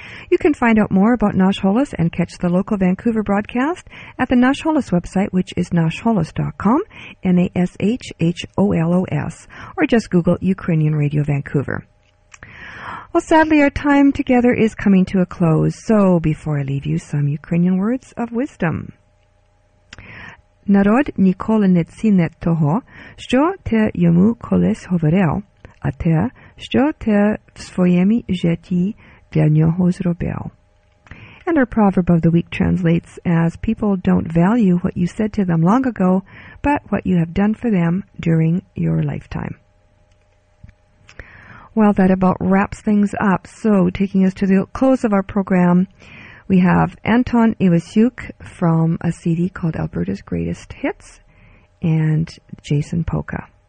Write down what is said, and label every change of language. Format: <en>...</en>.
<en>You can find out more about Nash Holas and catch the local Vancouver broadcast at the Nash Holas website, which is nashholas.com, N-A-S-H-H-O-L-O-S, or just Google Ukrainian Radio Vancouver. Well, sadly, our time together is coming to a close, so before I leave you, some Ukrainian words of wisdom.</en> <uk>Народ ніколи не ціне того, що ти йому колись говорив, а те, що ти в своєму житті для нього зробив.</uk> <en>And our proverb of the week translates as, people don't value what you said to them long ago, but what you have done for them during your lifetime. Well, that about wraps things up. So, taking us to the close of our program, we have Anton Iwasyuk from a CD called Alberta's Greatest Hits and Jason Polka.</en>